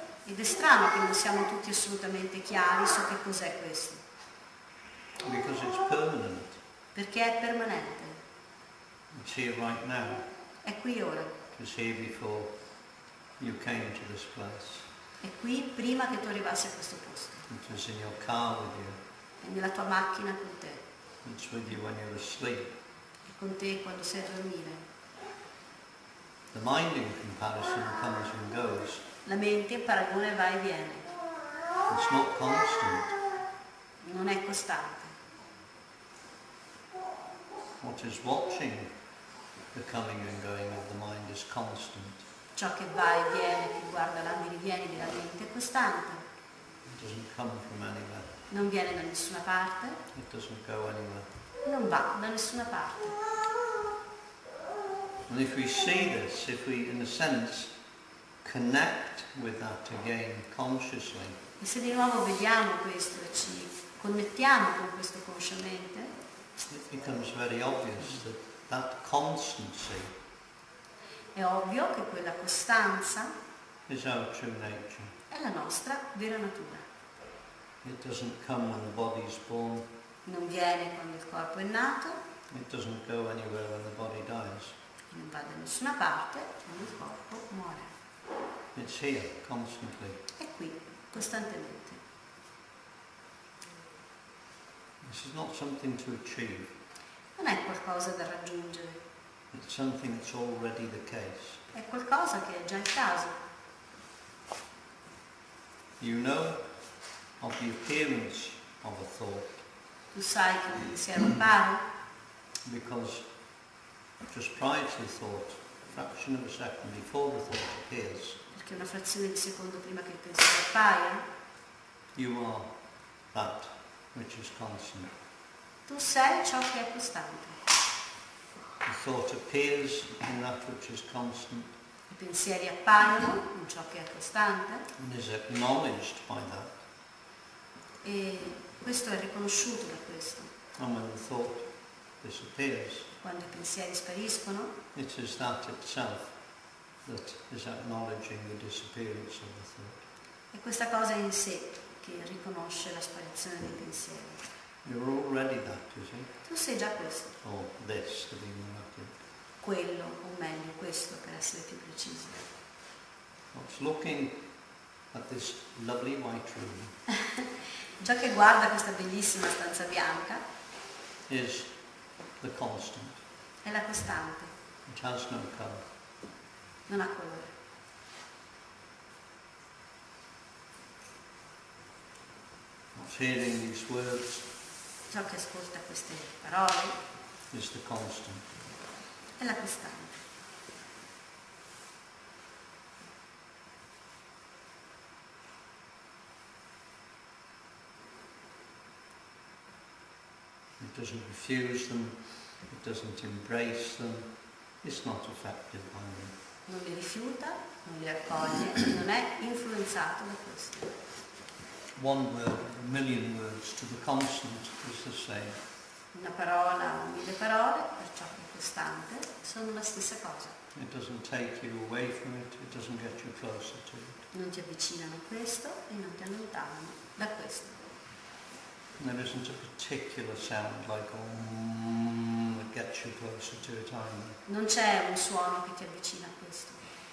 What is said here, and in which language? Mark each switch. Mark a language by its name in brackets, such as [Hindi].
[Italian] Ed è strano che non siamo tutti assolutamente chiari su che cos'è questo. [English] Because it's permanent. [Italian] Perché è permanente. [English] It's here right now. [Italian] È qui ora. [English] It's here before you came to this place. [Italian] È qui prima che tu arrivassi a questo posto. [English] It is in your car with you. [Italian] È nella tua macchina con te. [English] It's with you when you're asleep. [Italian] È con te quando sei a dormire. [English] The mind in comparison comes and goes. [Italian] La mente in paragone va e viene. [English] It's not constant. [Italian] Non è costante. [English] What is watching the coming and going of the mind is constant. [Italian] Ciò che va e viene, che guarda l'anno e rivieni della mente è costante. [English] It doesn't come from anywhere. [Italian] Non viene da nessuna parte. [English] It doesn't go anywhere. [Italian] Non va da nessuna parte. [English] And if we see this, if we in a sense connect with that again consciously. [Italian] E se di nuovo vediamo questo e ci connettiamo con questo consciamente. [English] It becomes very obvious that constancy. [Italian] È ovvio che quella costanza [English] is our true nature. [Italian] È la nostra vera natura. [English] It doesn't come when the body is born. [Italian] Non viene quando il corpo è nato. [English] It doesn't go anywhere when the body dies. [Italian] Non va da nessuna parte quando il corpo muore. [English] It's here, constantly. [Italian] È qui, costantemente. [English] This is not something to achieve. [Italian] Non è qualcosa da raggiungere. [English] It's something that's already the case. [Italian] È qualcosa che è già il caso. [English] You know of the appearance of a thought. [Italian] Tu sai che un pensiero appare. [English] Because just prior to the thought, a fraction of a second before the thought appears. [Italian] Perché una frazione di secondo prima che il pensiero appaia. [English] You are that which is constant. [Italian] Tu sei ciò che è costante. [English] The thought appears in that which is constant. [Italian] I pensieri appaiono in ciò che è costante. [English] And is acknowledged by that. [Italian] E questo è riconosciuto da questo. [English] And when the thought disappears. [Italian] Quando i pensieri spariscono. [English] It is that itself that is acknowledging the disappearance of the thought. [Italian] È questa cosa in sé che riconosce la sparizione dei pensieri. [English] You're already that, you see? [Italian] Tu sei già questo. [English] Or this, to be more accurate. [Italian] Quello, o meglio, questo, per essere più precisi. [English] What's looking at this lovely white room. [Italian] Ciò che guarda questa bellissima stanza bianca. [English] Is the constant. [Italian] È la costante. [English] It has no color. [Italian] Non ha colore. [English] hearing these words, [Italian] ciò che ascolta queste parole, [English] is the constant. [Italian] È la costante. [English] It doesn't refuse them, it doesn't embrace them, it's not affected by them. [Italian] Non li rifiuta, non li accoglie, non è influenzato da questo. [English] One word, a million words to the constant is the same. [Italian] Una parola o mille parole, per ciò che è costante, sono la stessa cosa. [English] It doesn't take you away from it, it doesn't get you closer to it. [Italian] Non ti avvicinano a questo e non ti allontanano da questo. [English] There isn't a particular sound like a that gets you closer to it either. [Italian] Non c'è un suono che ti avvicina a questo.